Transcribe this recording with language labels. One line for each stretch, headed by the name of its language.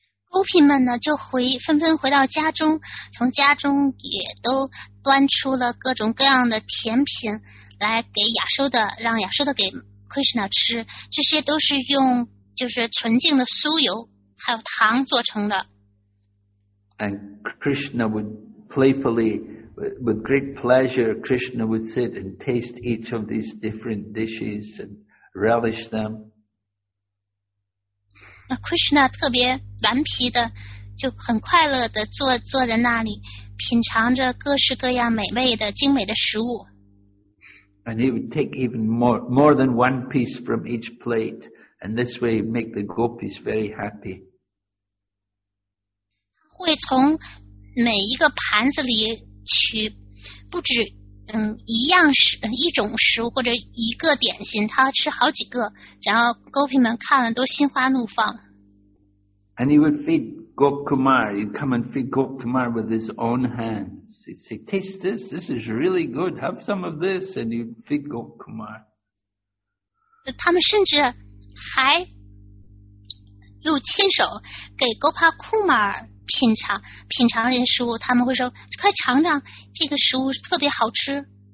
Chinese: 勾皮们呢就纷纷回到家中从家中也都端出了各种各样的甜品来给亚修的让亚修的给 Krishna 吃这些都是用就是纯净的酥油还有糖做成的
English: And Krishna would playfully with great pleasure Krishna would sit and taste each of these different dishes and relish them
Chinese: Krishna 特别顽皮的就很快乐的 坐在那里品尝着各式各样美味的精美的食物
English: And he would take even more than one piece from each plate and this way make the gopis very happy
Chinese: 会从每一个盘子里取不止一样一种食物或者一个点心他吃好几个然后 Gopi 们看了都心花怒放
English: And he would feed Gopkumar He'd come and feed Gopkumar with his own hands He'd say taste this This is really good Have some of this And he'd feed Gopkumar
Chinese: 他们甚至还又亲手给 Gopkumar品尝这些食物他们会说快尝尝这个食物特别好吃